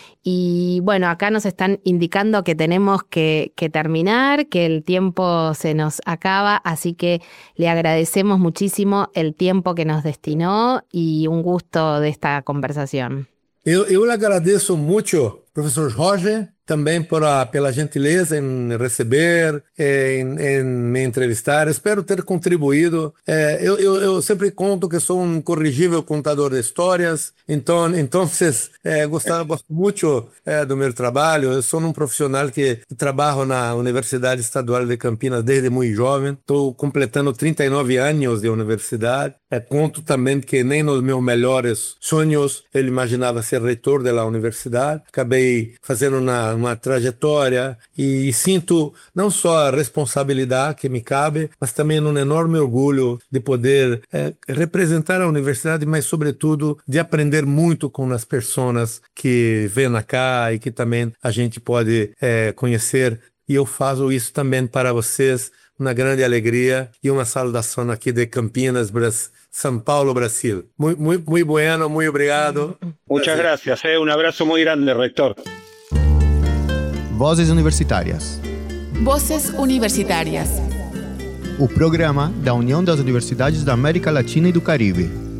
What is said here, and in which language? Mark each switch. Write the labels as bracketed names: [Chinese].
[Spanish] Y bueno, acá nos están indicando que tenemos que terminar, que el tiempo se nos acaba, así que le agradecemos muchísimo el tiempo que nos destinó y un gusto de esta conversación. Yo le agradezco mucho, profesor Jorge. [Portuguese] também pela gentileza em receber, em me entrevistar. Espero ter contribuído. Eu sempre conto que sou um incorrigível contador de histórias, então gostava muito do meu trabalho. Eu sou um profissional que trabalho na Universidade Estadual de Campinas desde muito jovem. Estou completando 39 anos de universidade. Conto também que nem nos meus melhores sonhos ele imaginava ser reitor da universidade. Acabei fazendo uma trajetória e sinto não só a responsabilidade que me cabe, mas também um enorme orgulho de poder representar a universidade, mas sobretudo de aprender muito com as pessoas que vêm cá e que também a gente pode conhecer. E eu faço isso também para vocês, uma grande alegria e uma saudação aqui de Campinas, Brasil. São Paulo, Brasil. [Spanish] Muy, muy, muy bueno, muy obrigado. Muchas [Portuguese] Brasil. [Spanish] gracias, ¿eh? Un abrazo muy grande, rector. Voces Universitarias. Voces Universitarias. [Portuguese] O programa da União das Universidades da América Latina e do Caribe.